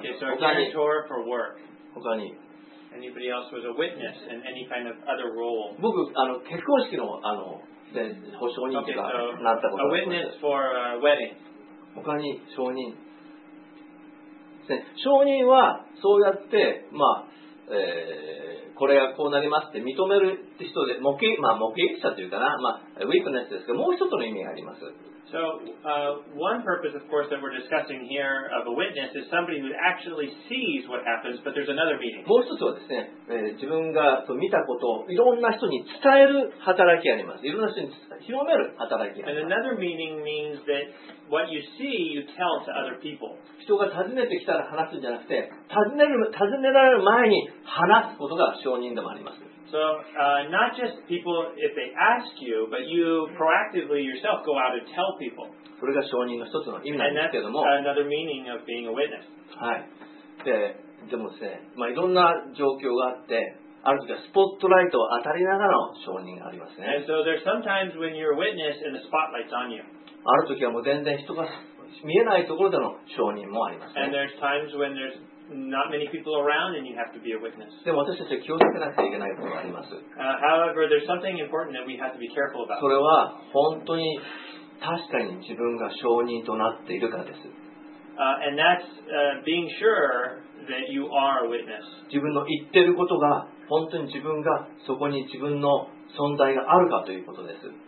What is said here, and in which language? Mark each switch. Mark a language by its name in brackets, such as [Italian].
[English] Okay, so a guarantor for work. [Japanese] 他に。 [English] Anybody else was a witness in any kind of other role? [Japanese] 僕、結婚式の、保証人とか、なったことがあります。 [English] A witness for a wedding. [Japanese] 他に、証人。証人は、そうやって、まあ、これがこうなりますって認める人で、目撃、まあ、目撃者というかな、まあ、ウィットネスですけど、もう一つの意味があります。 [English] So, one purpose, of course, that we're discussing here of a witness is somebody who actually sees what happens, but there's another meaning. [Japanese] もう一つはですね、自分が見たことをいろんな人に伝える働きがあります。いろんな人に広める働きがあります。 [English] And another meaning means that what you see, you tell to other people. [Japanese] 人が訪ねてきたら話すんじゃなくて、訪ねられる前に話すことが証人でもあります。 [English] So, not just people if they ask you, but you proactively yourself go out and tell people. [Japanese] これが証人の一つの意味なんですけども。 [English] And that's another meaning of being a witness. [Japanese] はい。で、でもですね、まあ、いろんな状況があって、ある時はスポットライトを当たりながらの証人がありますね。 [English] And so there's sometimes when you're a witness and the spotlight's on you. [Japanese] ある時はもう全然人が見えないところでの証人もありますね。 [English] And there's times when there's not many people around and you have to be a witness. [Japanese] でも私たちは気をつけなくてはいけないことがあります。 [English] However, there's something important that we have to be careful about. [Japanese] それは本当に確かに自分が証人となっているかです。 [English] And that's being sure that you are a witness. [Japanese] 自分の言ってることが本当に自分がそこに自分の存在があるかということです。